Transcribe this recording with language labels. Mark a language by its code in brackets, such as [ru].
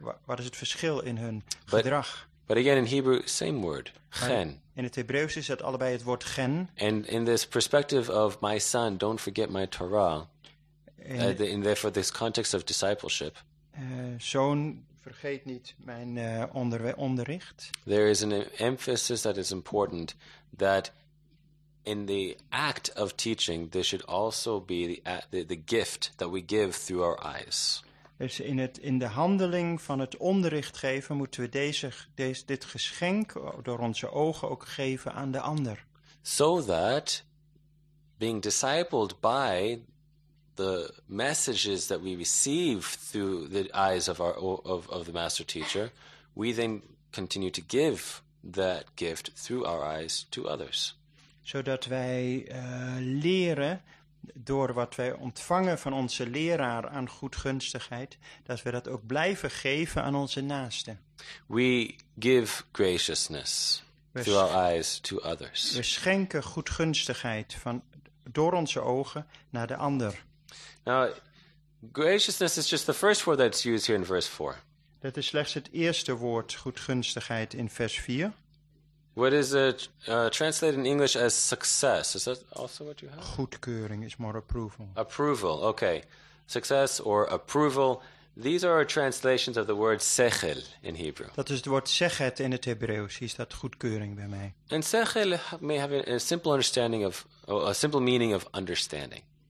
[nl] Wat is het verschil in hun gedrag? [en] But again in Hebrew, same word, gen. [nl] In het Hebreeuws is het allebei het woord gen. [en] And in this perspective of my son, don't forget my Torah. In therefore this context of discipleship. [nl] Zoon, vergeet niet mijn onderricht. [en] There is an emphasis that is important that in the act of teaching, there should also be the gift that we give through our eyes. [nl] Dus in de handeling van het onderricht geven, moeten we dit geschenk door onze ogen ook geven aan de ander. [en] So that being discipled by the messages that we receive through the eyes of the master teacher, we then continue to give that gift through our eyes to others. [nl] Zodat wij leren door wat wij ontvangen van onze leraar aan goedgunstigheid, dat we dat ook blijven geven aan onze naasten. [en] We give graciousness through our eyes to others. [nl] We schenken goedgunstigheid door onze ogen naar de ander. [en] Now, graciousness is just the first word that's used here in verse 4. [nl] Dat is slechts het eerste woord, goedgunstigheid, in vers 4. [en] What is it translated in English as success? Is that also what you have? Goedkeuring is more approval. Approval, okay. Success or approval. These are translations of the word sechel in Hebrew. [nl] Dat is het woord sechet in het Hebreeuws. Hier staat goedkeuring bij mij. [en] And sechel may have a simple understanding of, a simple meaning of understanding.